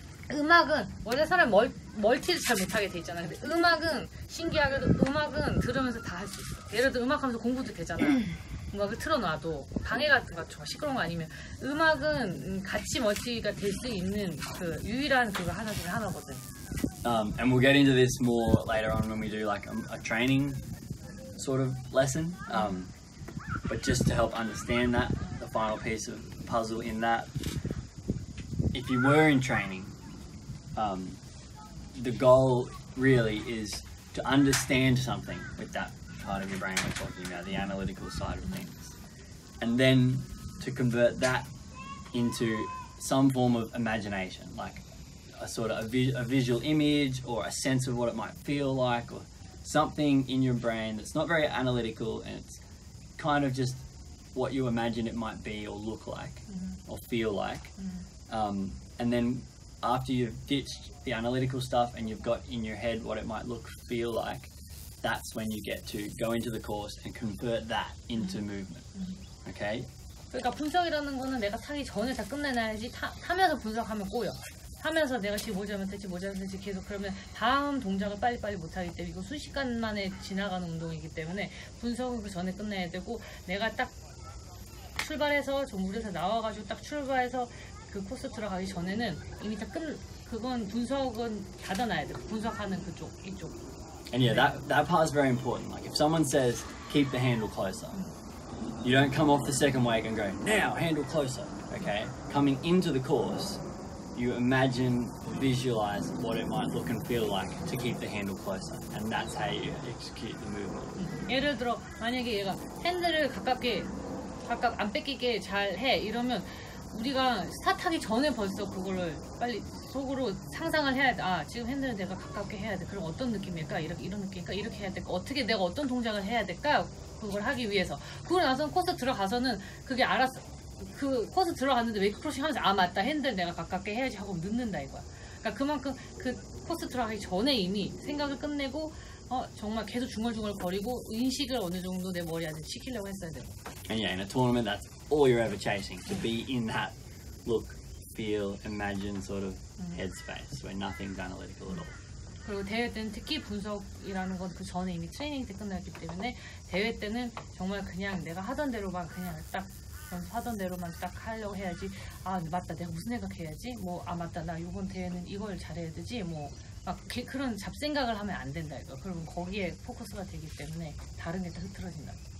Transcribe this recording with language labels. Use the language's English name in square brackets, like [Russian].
[Korean] 음악은 원래 사람 멀티를 잘 못하게 돼 있잖아. 근데 음악은 신기하게도 음악은 들으면서 다 할 수 있어. 예를 들어 음악하면서 공부도 되잖아. 음악을 틀어놔도 방해 같은 거 좀 시끄러운 거 아니면 음악은 같이 멀티가 될 수 있는 그 유일한 그거 하나 중에 하나거든. [English] And we'll get into this more later on when we do like a training sort of lesson. But just to help understand that, the final piece of puzzle in that, if you were in training. The goal really is to understand something with that part of your brain we're talking about, the analytical side of things. And then to convert that into some form of imagination, like a sort of a visual image or a sense of what it might feel like or something in your brain that's not very analytical and it's kind of just what you imagine it might be or look like or feel like. And then after you've ditched the analytical stuff and you've got in your head what it might look, feel like, that's when you get to go into the course and convert that into movement. Okay? [Korean] 그러니까 분석이라는 거는 내가 타기 전에 다 끝내놔야지 타면서 분석하면 꼬여. 타면서 내가 지금 뭐 잘못했지 계속 그러면 다음 동작을 빨리 못하기 때문에 이거 순식간 만에 지나가는 운동이기 때문에 분석을 그 전에 끝내야 되고 내가 딱 출발해서 좀 무리해서 나와가지고 딱 출발해서 그 코스 들어가기 전에는 이미 다 끝 그건 분석은 닫아놔야 돼. 분석하는 그쪽 이쪽. [English] And yeah, that part is very important. Like if someone says keep the handle closer, you don't come off the second wake and go now handle closer. Okay, coming into the course, you imagine visualize what it might look and feel like to keep the handle closer, and that's how you execute the movement. [Korean] 예를 들어 만약에 얘가 핸들을 각각 안 뺏기게 잘 해 이러면. 우리가 스타트하기 전에 벌써 그거를 빨리 속으로 상상을 해야 돼. 아, 지금 핸들을 내가 가깝게 해야 돼. 그럼 어떤 느낌일까? 이런 느낌일까? 이렇게 해야 될까? 어떻게 내가 어떤 동작을 해야 될까? 그걸 하기 위해서. 그러고 나서는 코스 들어가서는 그게 알았어. 그 코스 들어갔는데 웨이크 크로싱 하면서 아, 맞다. 핸들 내가 가깝게 해야지 하고 늦는다 이거야. 그러니까 그만큼 그 코스 들어가기 전에 이미 생각을 끝내고 정말 계속 중얼중얼 거리고 의식을 어느 정도 내 머리 안에 시키려고 했어야 돼. [English] And yeah, in a tournament, that's all you're ever chasing, to be in that look, feel, imagine sort of headspace where nothing's analytical at all. [Korean] 그리고 대회 때는 특히 분석이라는 건 그 전에 이미 트레이닝 때 끝났기 때문에 대회 때는 정말 그냥 내가 하던 대로만 그냥 딱 하던 대로만 딱 하려고 해야지 아 맞다 내가 무슨 생각해야지 뭐 아 맞다 나 이번 대회는 이걸 잘해야 되지 뭐 막 그런 잡생각을 하면 안 된다 이거 그러면 거기에 포커스가 되기 때문에 다른 게 다 흐트러진다